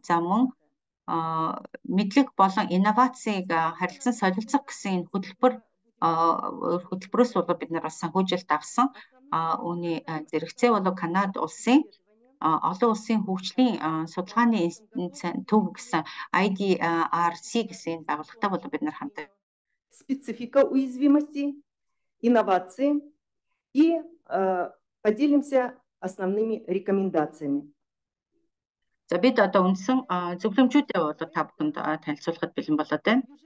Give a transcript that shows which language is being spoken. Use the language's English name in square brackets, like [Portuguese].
[Mongolian] За мөн мэдлэг болон инновацийг харилцан солилцох гэсэн энэ хөтөлбөрөөс бол бид нар санхүүжилт авсан. Үүний зэрэгцээ бол Канад улсын олон улсын хөгжлийн судалгааны төв гэсэн IDRC гэсэн энэ байгууллагатай бол бид нар хамтаа [Russian] специфика уязвимости инновации и поделимся основными рекомендациями. [Mongolian] За бид одоо үндсэн зөвлөмжүүдээ бол та бүхэнд танилцуулахад бэлэн болоод байна.